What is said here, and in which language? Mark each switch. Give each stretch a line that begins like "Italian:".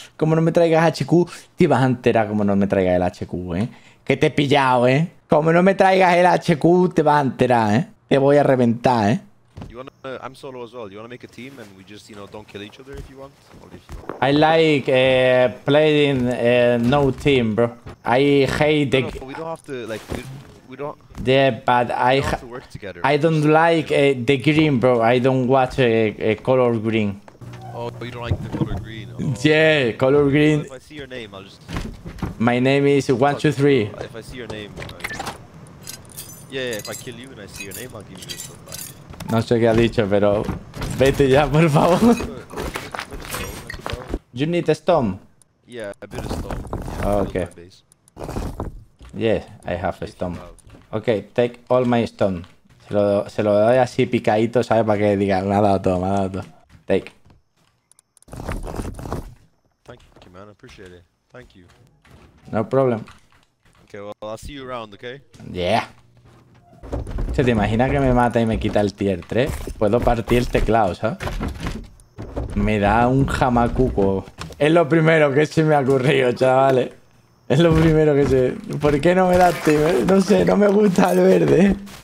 Spanish: Como no me traigas HQ, te vas a enterar como no me traigas el HQ, ¿eh? Que te he pillado, ¿eh? Como no me traigas el HQ, te vas a enterar, ¿eh? Te voy a reventar, ¿eh?
English: I'm solo as well. You want to make a team and we just, you know, don't kill each other if you want? Or if you want. I like playing no team, bro. I hate the... No, we don't have to, like, we don't... Yeah, but I have to work together. I don't like the green, bro. I don't watch a color green. Oh, but you don't like the color green? Oh. Yeah, color green. If I see your name, I'll just... My name is 123. If I see your name, yeah, if I kill you and I see your name, I'll give you this one back.
Spanish: No sé qué ha dicho, pero vete ya, por favor.
English: You need a stone? Yeah, a bit of stone. Okay. Yes, I have a stone. Okay, take all my stone.
Spanish: Se lo doy así picadito, ¿sabes? Para que diga, me ha dado todo, me ha dado todo.
English: Take. Thank you, man. I appreciate it. Thank you. No problem. Okay, well, I'll see you around, okay? Yeah.
Spanish: ¿Se te imagina que me mata y me quita el tier 3? Puedo partir el teclado, ¿sabes? Me da un jamacuco. Es lo primero que se me ha ocurrido, chavales. Es lo primero que se... ¿Por qué no me da tío? No sé, no me gusta el verde.